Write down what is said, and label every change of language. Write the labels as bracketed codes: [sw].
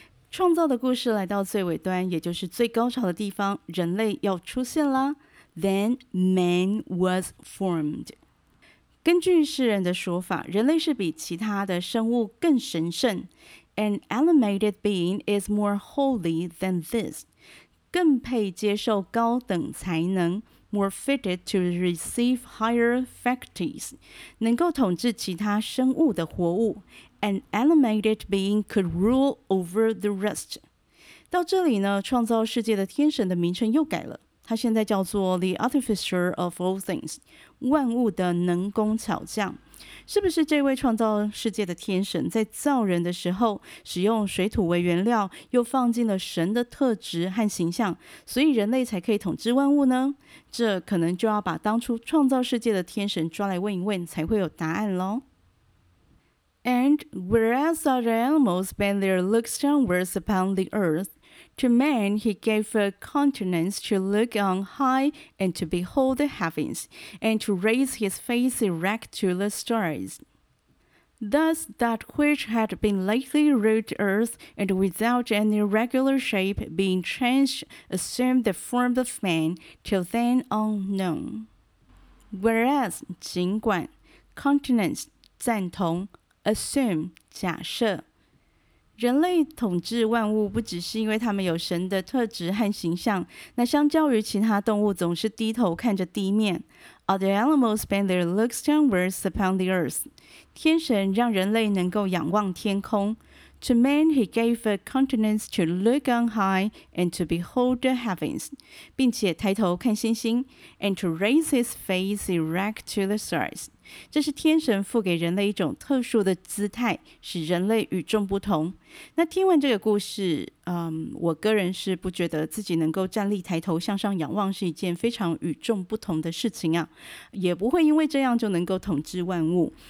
[zh] 创造的故事来到最尾端，也就是最高潮的地方，人类要出现啦。 [en] Then man was formed. [zh] 根据世人的说法，人类是比其他的生物更神圣。 [en] An animated being is more holy than this. [zh] 更配接受高等才能 [en] more fitted to receive higher faculties, [zh] 能够统治其他生物的活物 [en] an animated being could rule over the rest. [zh] 到这里呢，创造世界的天神的名称又改了，他现在叫做 [en] the artificer of all things, [zh] 万物的能工巧匠。是不是这位创造世界的天神在造人的时候使用水土为原料，又放进了神的特质和形象，所以人类才可以统治万物呢？这可能就要把当初创造世界的天神抓来问一问才会有答案咯。 [en] And whereas other animals bend their looks downwards upon the earth, to man he gave a countenance to look on high and to behold the heavens, and to raise his face erect to the stars. Thus that which had been lately rude earth and without any regular shape being changed assumed the form of man till then unknown. Whereas, [zh] 尽管, countenance, 赞同, assume, 假设。人类统治万物不只是因为他们有神的特质和形象，那相较于其他动物总是低头看着地面。 [en] Other animals bend their looks downwards upon the earth. [zh] 天神让人类能够仰望天空。 [en] To man he gave a countenance to look on high and to behold the heavens, [zh] 并且抬头看星星 [en] and to raise his face erect to the stars. [zh] 这是天神赋给人类一种特殊的姿态，使人类与众不同。那听完这个故事，我个人是不觉得自己能够站立抬头向上仰望是一件非常与众不同的事情啊，也不会因为这样就能够统治万物。